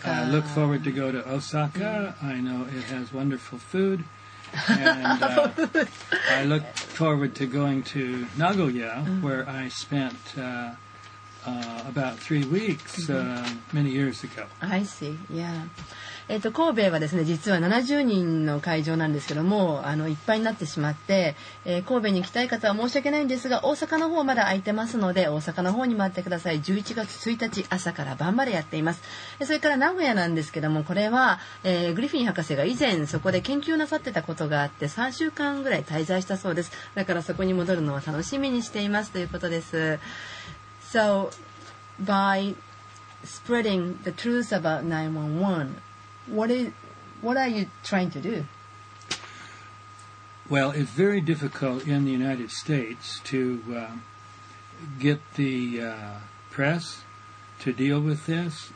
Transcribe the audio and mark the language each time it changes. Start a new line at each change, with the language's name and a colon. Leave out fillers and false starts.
English: I look forward to go to Osaka. Mm. I know it has wonderful food. And I look forward to going to Nagoya, where I spent about 3 weeks many years ago. I see, yeah.
Japanese: 神戸はですね、実は70人の会場なんですけども、いっぱいになってしまって、神戸に行きたい方は申し訳ないんですが、大阪の方まだ空いてますので、大阪の方に待ってください。 11月1日朝から晩までやっています。それから名古屋なんですけども、これは、グリフィン博士が以前そこで研究なさってたことがあって、3週間ぐらい滞在したそうです。だからそこに戻るのは楽しみにしていますということです。
English: So by spreading the truth about 911,What are you trying to do? Well, it's very difficult in the United States to get the press to deal with this.